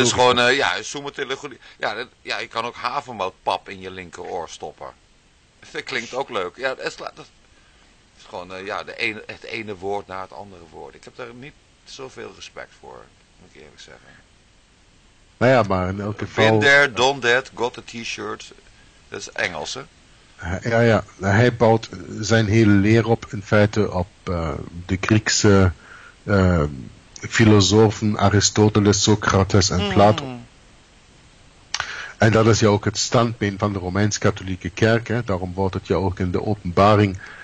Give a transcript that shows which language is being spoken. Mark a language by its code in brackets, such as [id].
[nl] Dus het is gewoon, summa theologica. Ja, je kan ook havermoutpap in je linkeroor stoppen. Dat klinkt ook leuk. Ja, het is gewoon het ene woord na het andere woord. Ik heb daar niet zoveel respect voor, moet ik eerlijk zeggen. Nou ja, maar in elk geval... [en] Been there, done that, got a t-shirt. [nl] Dat is Engels, hè? Ja. Hij bouwt zijn hele leer op, in feite, op de Griekse... filosofen Aristoteles, Socrates en Plato. Mm. En dat is ja ook het standbeen van de Romeins-Katholieke Kerk. Hè? Daarom wordt het ja ook in de openbaring